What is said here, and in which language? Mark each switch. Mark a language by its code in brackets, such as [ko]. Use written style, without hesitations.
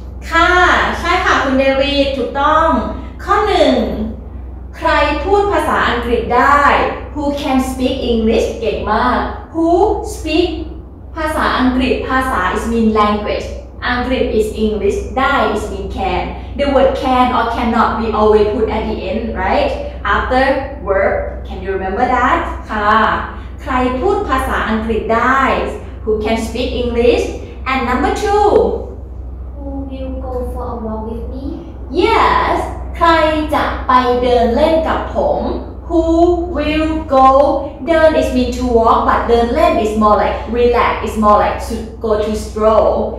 [th] ค่ะใช่ค่ะคุณเดวิดถูกต้องข้อ1ใครพูดภาษาอังกฤษได้ [en] who can speak English [th] เก่งมาก [en] who speak [th] ภาษาอังกฤษภาษา [en] is mean languageAngrid is English, die is mean can. The word can or cannot we always put at the end, right? After verb, can you remember that? [th] ค่ะ ใครพูดภาษาอังกฤษได้ [en] Who can speak English? And number two. Who will go for a walk with me? [th] Yes. ใครจะไปเดินเล่นกับผม? [en] Who will go? Dern is mean to walk, but dern land is more like relax, it's more like to go to stroll.